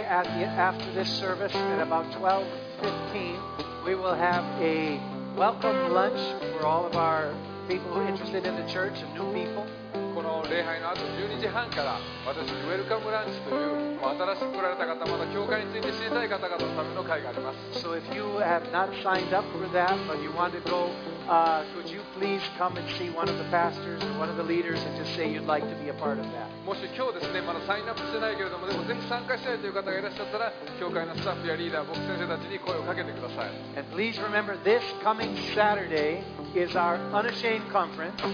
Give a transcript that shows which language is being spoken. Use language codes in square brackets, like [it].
[en] after this service, at about 12:15, we will have a welcome lunch for all of our people who are interested in the church and new people. [ja] この礼拝の後12時半から私のウェルカムランチという新しく来られた方、また教会について知りたい方々のための会があります。 [en] So if you have not signed up for that, but you want to go, could you please come and see one of the pastors or one of the leaders and just say you'd like to be a part of that? [ja] もし今日ですね、まだサインアップしてないけれども、でもぜひ参加したいという方がいらっしゃったら、教会のスタッフやリーダー、牧師先生たちに声をかけてください。 [en] And please remember, this coming Saturday is our Unashamed Conference.